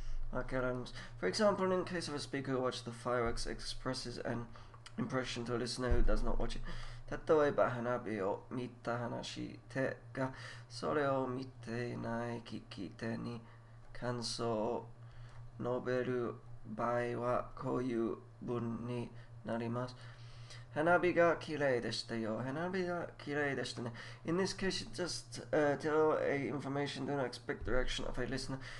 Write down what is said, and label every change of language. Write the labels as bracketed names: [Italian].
[English] For example, in case of a speaker who watches the fireworks, expresses an impression to a listener who does not watch it. [Japanese] 例えば花火を見た話してが、それを見ていない聞き手に感想を述べる場合はこういう文になります。花火が綺麗でしたよ。花火が綺麗でしたね。 [English] In this case, you just tell a information, do not expect the reaction of a listener.